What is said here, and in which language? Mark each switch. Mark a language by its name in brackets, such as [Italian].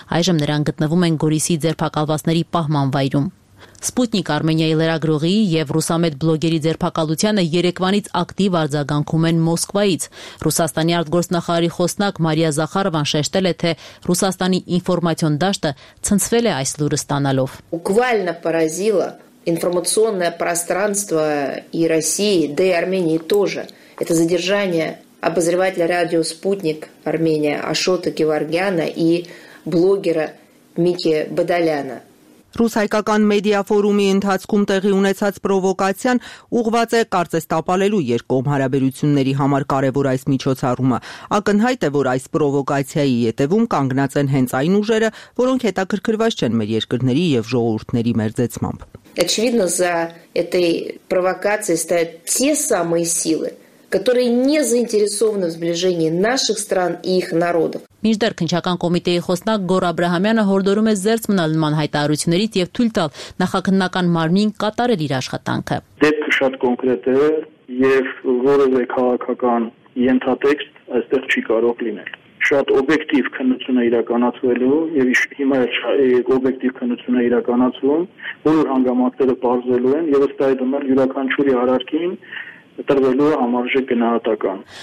[Armenian] Այժմ նրանք գտնվում են Գորիսի ձերբակալվածների պահման վայրում։ Սպուտնիկ Արմենիայի լրագրողի եւ Ռուսամետ բլոգերի ձերբակալությունը Երևանից ակտիվ արձագանքում են Մոսկվայից։ Ռուսաստանի արտգործնախարարի խոսնակ Մարիա Զախարովան շեշտել է, թե Ռուսաստանի ինֆորմացիոն դաշտը ցնցվել է այս լուրը ստանալով։ [Russian] Буквально поразило информационное пространство и России, да и Армении тоже. Это задержание обозревателя радио Спутник Армения Ашота Геворгяна и блогера Мики Бадаляна. [Armenian] Ռուս-հայկական մեդիա ֆորումի ընթացքում տեղի ունեցած պրովոկացիան ուղղված է կարծես տապալելու երկկողմ հարաբերությունների համար կարևոր այս միջոցառումը։ Ակնհայտ է, որ այս պրովոկացիայի ետևում կանգնած են հենց այն ուժերը, որոնք հետաքրքրված չեն մեր երկրների եւ ժողովուրդների մերձեցմամբ։ [Russian] Очевидно, за этой провокацией стоят те самые силы, которые не заинтересованы в сближении наших стран и их народов. [Armenian] Միջդեր քնչական կոմիտեի խոսնակ Գոր Աբրահամյանը հորդորում է զերծ մնալ նման հայտարարություններից եւ թույլ տալ նախաքննական մարմին կատարել իր աշխատանքը։ Դեպքը շատ կոնկրետ է եւ որևէ քաղաքական ենթատեքստ այստեղ չի կարող լինել։ Շատ օբյեկտիվ քննություն է իրականացվելու եւ հիմա օբյեկտիվ քննություն է իրականացվում, որը հանգամանքները բարձրելու են եւ ըստ այդ նման յուրաքանչյուրի արարքին տրվելու համարժեք գնահատական։